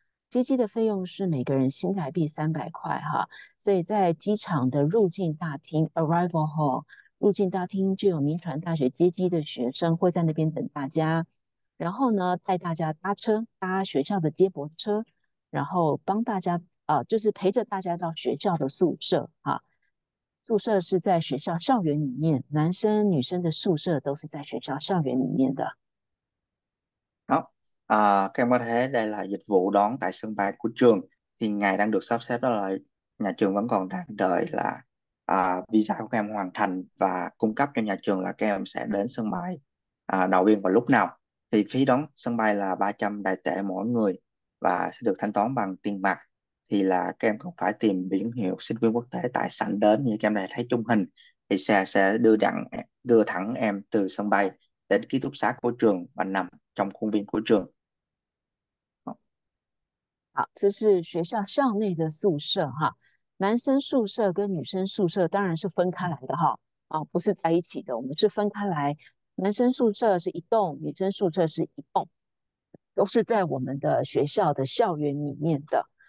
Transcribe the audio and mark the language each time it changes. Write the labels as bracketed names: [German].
[Chinese] 接机的费用是每个人新台币300块哈，所以在机场的入境大厅 [English] arrival hall [Chinese] 入境大厅就有民传大学接机的学生会在那边等大家，然后呢带大家搭车搭学校的接驳车，然后帮大家就是陪着大家到学校的宿舍哈。宿舍是在学校校园里面，男生女生的宿舍都是在学校校园里面的。 [Vietnamese] Các em có thể đây là dịch vụ đón tại sân bay của trường. Thì ngày đang được sắp xếp đó là nhà trường vẫn còn đang đợi là visa của các em hoàn thành và cung cấp cho nhà trường là các em sẽ đến sân bay đầu tiên vào lúc nào. Thì phí đón sân bay là 300 đại tệ mỗi người và sẽ được thanh toán bằng tiền mặt. Thì là các em cũng phải tìm biển hiệu sinh viên quốc tế tại sảnh đến như các em này thấy trong hình. Thì sẽ đưa thẳng em từ sân bay đến ký túc xá của trường và nằm trong khuôn viên của trường. [Chinese] 好，这是学校校内的宿舍哈，男生宿舍跟女生宿舍当然是分开来的哈，不是在一起的，我们是分开来，男生宿舍是一栋，女生宿舍是一栋，都是在我们的学校的校园里面的。